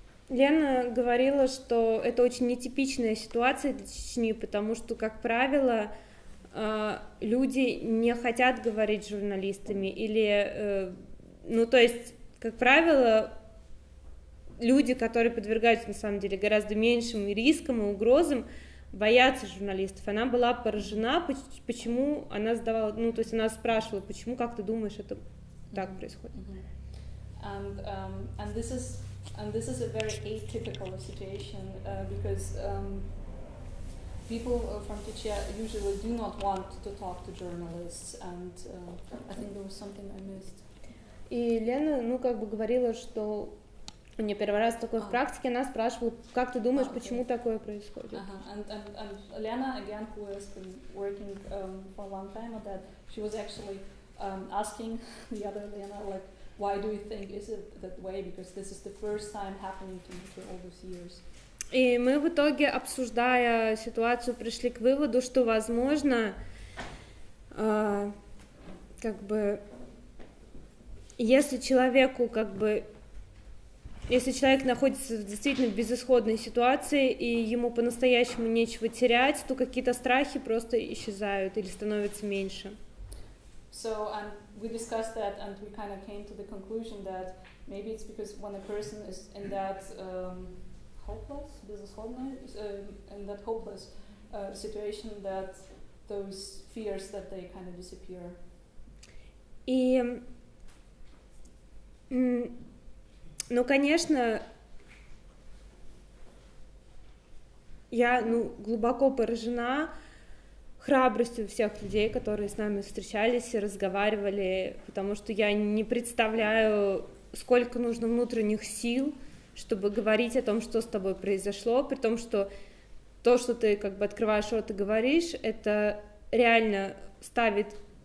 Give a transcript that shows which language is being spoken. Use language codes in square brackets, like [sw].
[ru] Лена говорила, что это очень нетипичная ситуация для Чечни, потому что, как правило, люди не хотят говорить с журналистами, или, ну, то есть, как правило, люди, которые подвергаются, на самом деле, гораздо меньшим рискам и угрозам, боятся журналистов. Она была поражена, почему она задавала, ну, то есть она спрашивала, почему, как ты думаешь, это так происходит. [en] And this is a very atypical situation because people from Chechnya usually do not want to talk to journalists, and I think there was something I missed. [ru] И Лена, ну как бы говорила, что у неё первый раз такое в практике, она спрашивала, как ты думаешь, почему такое происходит? [en] And Лена, again, who has been working for a long time at that, she was actually asking the other Лена, like, why do you think is it that way? Because this is the first time happening to me for all those years. [ru] И мы в итоге, обсуждая ситуацию, пришли к выводу, что, возможно, как бы, если человеку, как бы, если человек находится в действительно безысходной ситуации и ему по-настоящему нечего терять, то какие-то страхи просто исчезают или становятся меньше. [en] So, we discussed that, and we kind of came to the conclusion that maybe it's because when a person is in that hopeless, in that hopeless situation, that those fears that they kind of disappear. [ru] И, ну, конечно, я, ну, глубоко поражена храбростью всех людей, которые с нами встречались и разговаривали, потому что я не представляю, сколько нужно внутренних сил, чтобы говорить о том, что с тобой произошло, при том, что то, что ты как бы открываешь рот и говоришь, это реально ставит